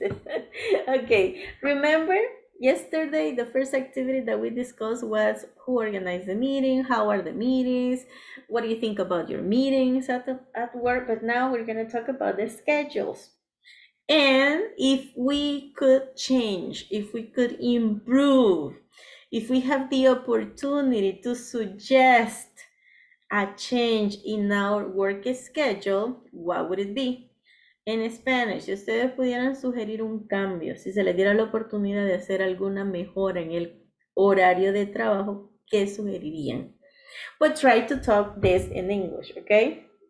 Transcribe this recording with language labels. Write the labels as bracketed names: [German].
[English] Okay, remember yesterday the first activity that we discussed was who organized the meeting, how are the meetings, what do you think about your meetings at work, but now we're going to talk about the schedules. And if we could change, if we could improve, if we have the opportunity to suggest a change in our work schedule, what would it be? [Spanish] En Spanish, si ustedes pudieran sugerir un cambio, si se les diera la oportunidad de hacer alguna mejora en el horario de trabajo, ¿qué sugerirían? [English] But try to talk this in English, okay?